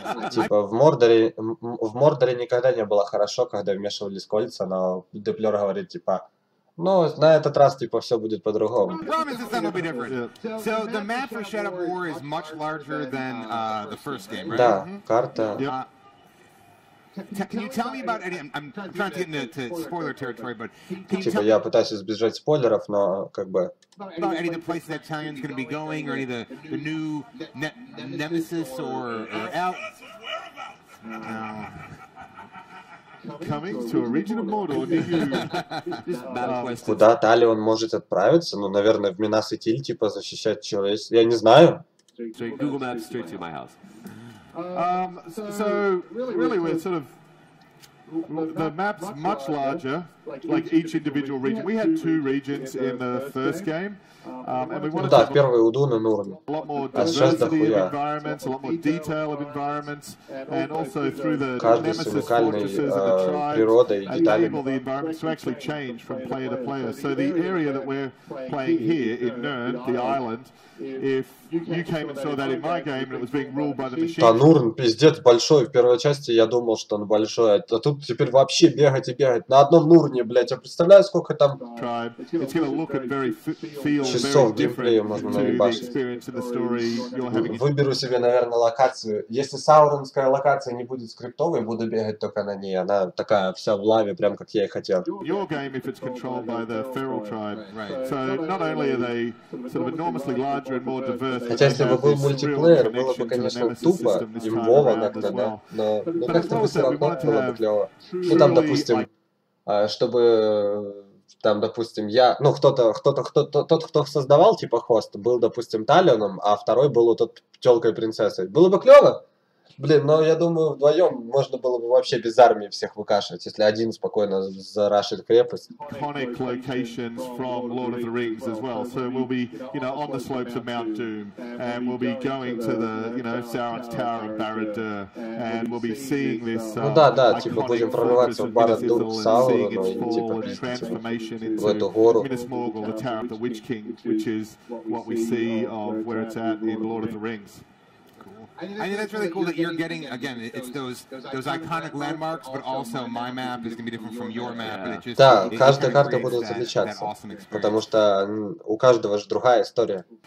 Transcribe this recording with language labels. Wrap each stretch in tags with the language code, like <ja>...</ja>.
<ru>Типа в Мордоре никогда не было хорошо, когда вмешивались кольца, но Деплёр говорит типа, ну на этот раз типа все будет по-другому.</ru> <en>Promise this time will be different. So the map for Shadow of War is much larger than the first game, right?</en> <ru>Да, карта.</ru> <en>Can you tell me about any? I'm trying to get into spoiler territory, but can you</en> <ru>типа</ru> <en>tell</en> <ru>я пытаюсь избежать спойлеров, но как бы.</ru> <en>About any of the places that Talion's going to be going, or any of the new nemesis or out. Coming to a region of Mordor,</en> <ru>куда Талион может отправиться? Ну, наверное, в Минас Итиль, типа защищать человечество. Я не знаю.</ru> <en>Google Maps straight to my house. So really we're sort of the map's much larger, like each individual region. We had two regions in the first game, and we wanted a lot more diversity of environments, a lot more detail of environments, and also through the nemesis fortresses and the tribes, enable the environments to actually change from player to player. So the area that we're playing here in Nurn, the island, if you came and saw that in my game and it was being ruled by the machine.</en> <ru>Да, Нурн, пиздец, большой. В первой части я думал, что он большой. А тут теперь вообще бегать и бегать. На одном Нурне, блядь, я представляю, сколько там часов геймплея можно наебашить. Выберу себе, наверное, локацию. Если сауронская локация не будет скриптовой, буду бегать только на ней. Она такая вся в лаве, прям как я и хотел.</ru> <en>Your game, if it's controlled by the feral tribe, right. So not only are they sort of enormously larger and more diverse.</en> <ru>Хотя если бы был мультиплеер, было бы, конечно, тупо, имбово как-то, да, но как-то бы все равно было бы клево. Ну там, допустим, чтобы, там, допустим, я, ну кто-то, кто создавал, типа, хост, был, допустим, Талионом, а второй был вот этой тёлкой-принцессой. Было бы клево? Блин, но я думаю, вдвоем можно было бы вообще без армии всех выкашивать, если один спокойно зарашит крепость.</ru> <en>Iconic locations from Lord of the Rings as well. So we'll be, you know, on the slopes of Mount Doom, and we'll be going to the, you know, Sauron's Tower of Barad-dûr, and we'll be seeing this.</en> <ru>Ну да, да, типа будем прорываться в Барад-дур к Саурону, типа в эту гору.</ru> <en>Minas Morgul, the Tower of the Witch King, which is what we see of where it's at in Lord of the Rings. I think that's really cool that you're getting, again, it's those iconic landmarks, but also my map is going to be different from your map.</en> <ru>Да,</ru> <en>yeah.</en> <ru>Каждая карта будет отличаться, потому что у каждого же другая история.</ru>